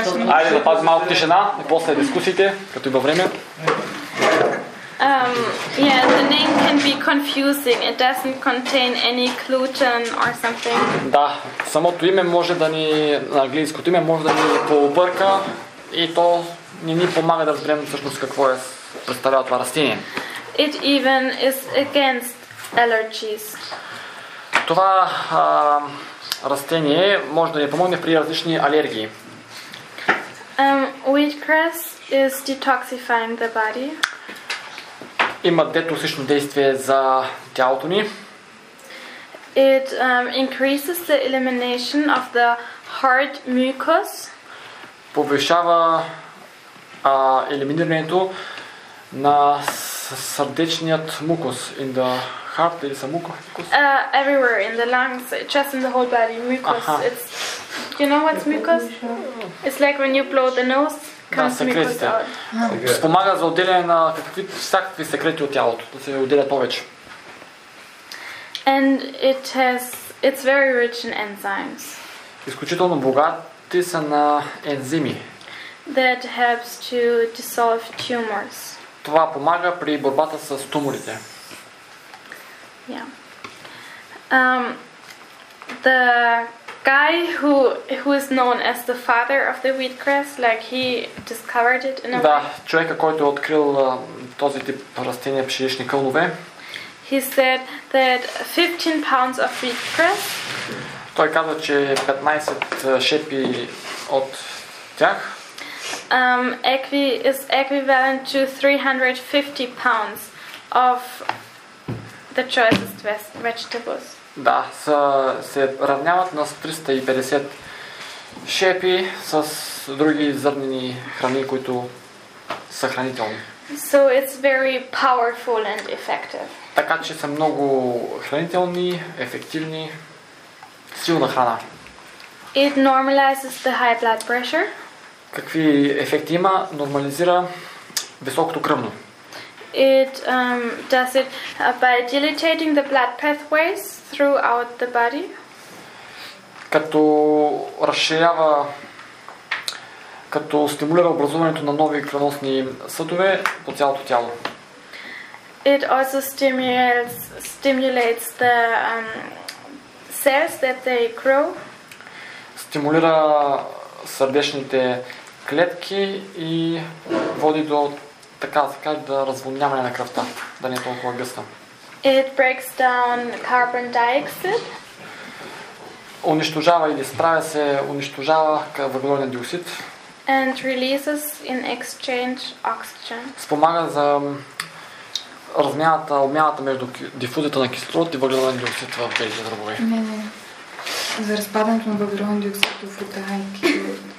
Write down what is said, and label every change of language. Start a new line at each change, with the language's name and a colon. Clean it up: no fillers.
Bulgarian: Айде да пазим малко тишина и после дискусиите, като има време.
English: Yeah, the name can be confusing. It doesn't contain any gluten or something.
Bulgarian: Да, самото име може да ни... На английското име може да ни пообърка и то... Не ни помага да разберем всъщност какво е представлява това растение.
English: It even is against allergies.
Bulgarian: Това растение може да ни помогне при различни алергии.
English: Wheatgrass is detoxifying the body.
Bulgarian: Има детоксично действие за тялото ни.
English: It increases the elimination of the hard mucus.
Bulgarian: Повишава елиминирането на сърдечният мукус
English: in the heart,
Bulgarian: или са мукус?
English: Everywhere, in the lungs, just in the whole body, mucus. Aha. It's, you know what's mucus? It's like when you blow the nose, comes mucus out.
Bulgarian: Спомага за отделяне на всякакви секрети от тялото, да се отделят повече.
English: And it's very rich in enzymes.
Bulgarian: Изключително богати са на ензими.
English: That helps to dissolve tumors.
Bulgarian: Това помага при борбата с туморите.
English: The guy who is known as the father of the wheatgrass, like he discovered it in a
Bulgarian: Да, човека, който е открил този тип растения пшенични кълнове.
English: He said that 15 pounds of wheatgrass.
Bulgarian: Той каза, че 15 шепи от тях.
English: Is equivalent to 350 pounds of the choicest vegetables.
Bulgarian: Да, се равняват на 350 шепи с други зърнени храни, които са хранителни.
English: So it's very powerful and effective.
Bulgarian: Така че са много хранителни, ефективни, силна храна.
English: It normalizes the high blood pressure.
Bulgarian: Какви ефекти има? Нормализира високото кръвно.
English: It does it by dilating the blood pathways throughout the body.
Bulgarian: Като разширява, като стимулира образуването на нови кръвоносни съдове по цялото тяло.
English: It also stimulates the cells that they grow.
Bulgarian: Стимулира сърдечните клетки и води до така, така да развълняване на кръвта, да не е толкова гъста.
English: It breaks down carbon dioxide.
Bulgarian: Унищожава или справя се, унищожава въглероден диоксид.
English: And releases in exchange oxygen.
Bulgarian: Спомага за размяната, обмяната между дифузията на кислород и въглероден диоксид в белите дробове. Не, за разпадането на въглероден диоксид в рота и кислород.